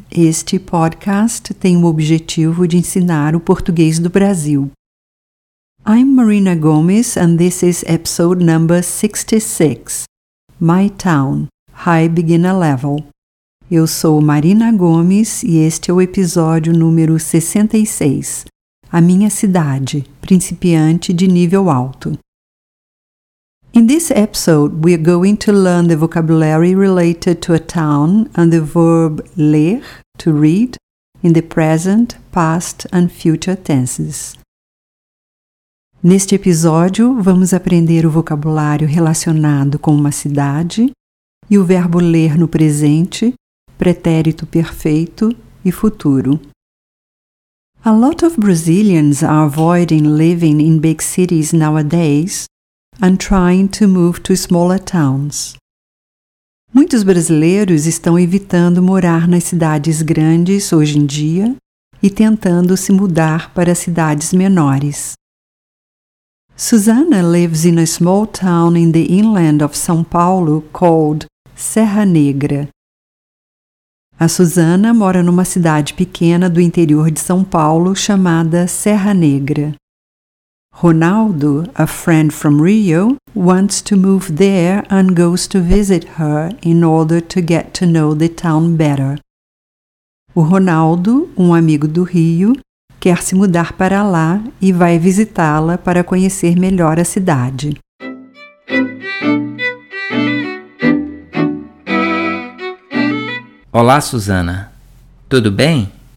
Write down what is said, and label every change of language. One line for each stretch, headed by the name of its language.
Portuguese: Este podcast tem o objetivo de ensinar o português do Brasil.
English: I'm Marina Gomes and this is episode number 66. My Town, High Beginner Level.
Portuguese: Eu sou Marina Gomes e este é o episódio número 66. A minha cidade, principiante de nível alto.
English: In this episode, we are going to learn the vocabulary related to a town and the verb ler, to read, in the present, past and future tenses.
Portuguese: Neste episódio, vamos aprender o vocabulário relacionado com uma cidade e o verbo ler no presente, pretérito perfeito e futuro.
English: A lot of Brazilians are avoiding living in big cities nowadays and trying to move to smaller towns.
Portuguese: Muitos brasileiros estão evitando morar nas cidades grandes hoje em dia e tentando se mudar para cidades menores.
English: Susana lives in a small town in the inland of São Paulo called Serra Negra.
Portuguese: A Susana mora numa cidade pequena do interior de São Paulo chamada Serra Negra.
English: Ronaldo, a friend from Rio, wants to move there and goes to visit her in order to get to know the town better.
Portuguese: O Ronaldo, um amigo do Rio, quer se mudar para lá e vai visitá-la para conhecer melhor a cidade. Olá, Susana. Tudo bem?